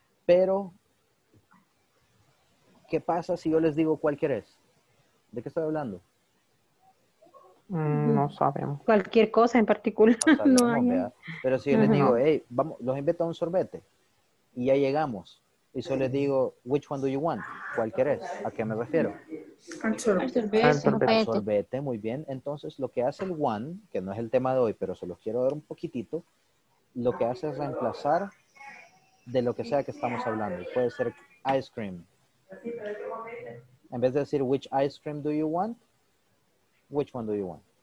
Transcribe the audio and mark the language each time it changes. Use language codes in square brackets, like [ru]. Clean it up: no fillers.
[es] Pero, ¿qué pasa si yo les digo cuál querés? ¿De qué estoy hablando? No sabemos. Cualquier cosa en particular. Pero si yo les digo, hey, vamos, los invito a un sorbete y ya llegamos. Y solo les digo, [en] which one do you want? [es] ¿Cuál querés? ¿A qué me refiero? Al sorbete. Muy bien. Entonces, lo que hace el one, que no es el tema de hoy, pero se los quiero dar un poquitito, lo que hace es reemplazar de lo que sea que estamos hablando. Puede ser [en] ice cream. [es] En vez de decir, [en] which ice cream do you want? Which one do you want?